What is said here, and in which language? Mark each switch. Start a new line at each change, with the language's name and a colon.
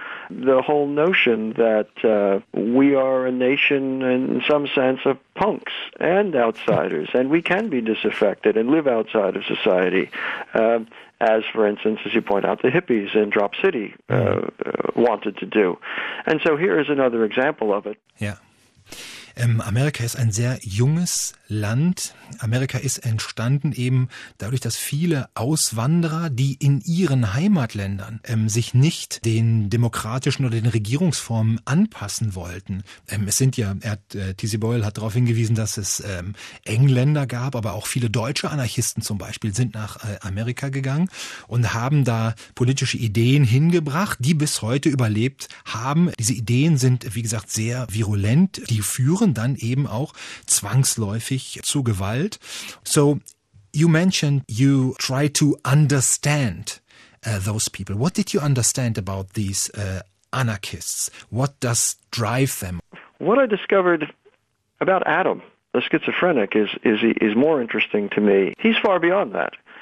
English: The whole notion that we are a nation, in some sense, of punks and outsiders, and we can be disaffected and live outside of society, as, for instance, as you point out, the hippies in Drop City wanted to do. And so here is another example of it. Yeah.
German: Amerika ist ein sehr junges Land. Amerika ist entstanden eben dadurch, dass viele Auswanderer, die in ihren Heimatländern sich nicht den demokratischen oder den Regierungsformen anpassen wollten. Es sind ja, T.C. Boyle hat darauf hingewiesen, dass es Engländer gab, aber auch viele deutsche Anarchisten zum Beispiel sind nach Amerika gegangen und haben da politische Ideen hingebracht, die bis heute überlebt haben. Diese Ideen sind, wie gesagt, sehr virulent. Die führen dann eben auch zwangsläufig zu Gewalt.
English: So, you mentioned you try to understand those people. What did you understand about these anarchists? What does drive them? What I discovered about Adam, the schizophrenic, is more interesting to me. He's far beyond that.